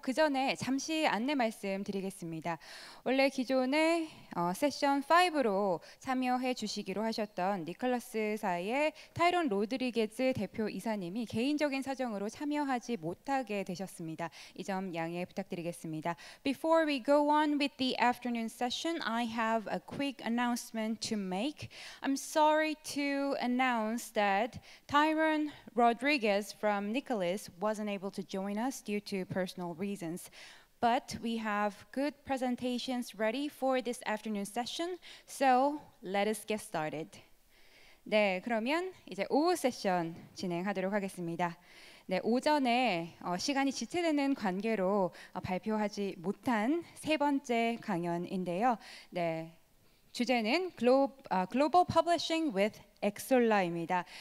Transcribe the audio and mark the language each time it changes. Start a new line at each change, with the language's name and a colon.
Korean: 그 전에 잠시 안내 말씀드리겠습니다. 원래 기존에 세션 5로 참여해 주시기로 하셨던 니클라스 사의 타이론 로드리게즈 대표 이사님이 개인적인 사정으로 참여하지 못하게 되셨습니다. 이점 양해 부탁드리겠습니다.
English: Before we go on with the afternoon session, I have a quick announcement to make. I'm sorry to announce that Tyron Rodriguez from Nicholas wasn't able to join us due to personal reasons. But we have good presentations ready for this afternoon session, so let us get started.
Korean: 네, 그러면 이제 오후 세션 진행하도록 하겠습니다. 네, 오전에 시간이 지체되는 관계로 발표하지 못한 세 번째 강연인데요. 네, 주제는 Global Publishing with 엑솔라입니다.